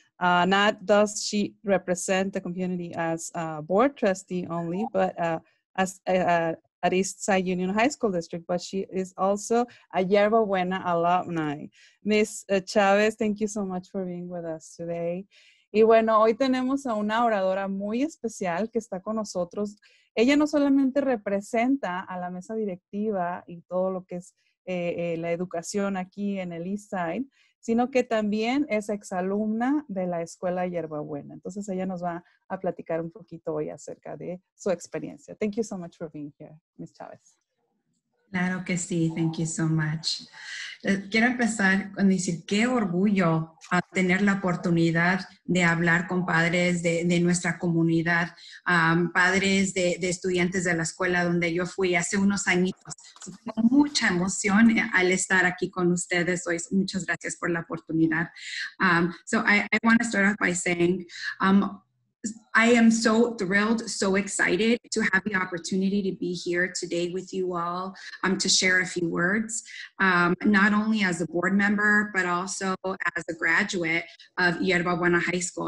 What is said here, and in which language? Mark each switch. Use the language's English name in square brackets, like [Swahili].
[English] Not does she represent the community as a board trustee only, but as at Eastside Union High School District, but she is also a Yerbabuena alumni. Miss Chavez, thank you so much for being with us today. [Spanish] Y bueno, hoy tenemos a una oradora muy especial que está con nosotros. Ella no solamente representa a la mesa directiva y todo lo que es la educación aquí en el Eastside, sino que también es exalumna de la Escuela Yerbabuena. Entonces, ella nos va a platicar un poquito hoy acerca de su experiencia. [English] Thank you so much for being here, Ms. Chavez. [Spanish] Claro que sí. [English] Thank you so much. [Spanish] Quiero empezar con decir qué orgullo tener la oportunidad de hablar con padres de nuestra comunidad, padres de estudiantes de la escuela donde yo fui hace unos añitos. Con mucha emoción al estar aquí con ustedes hoy. Muchas gracias por la oportunidad. [English] So I want to start off by saying, I am so thrilled, so excited to have the opportunity to be here today with you all to share a few words, not only as a board member, but also as a graduate of Yerbabuena High School.